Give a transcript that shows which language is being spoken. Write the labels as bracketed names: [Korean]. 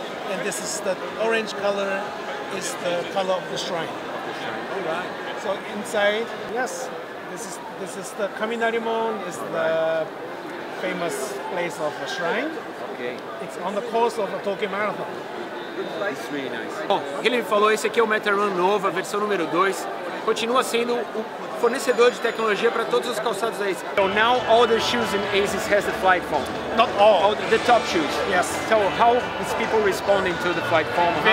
[English] And this is the orange color, is the color of the shrine. All right. So inside, yes, this is the Kaminarimon, is the famous place of the shrine. Okay. Okay. It's on the course of the Tokyo Marathon. It's really nice. [Portuguese] Bom, Guilherme falou, esse aqui é o MetaRun novo, a versão número 2. Continua sendo o fornecedor de tecnologia para todos os calçados da ASICS. [English] So now all the shoes in ASICS has the flight foam. Not all. All the top shoes. Yes. So how is people responding to the flight foam?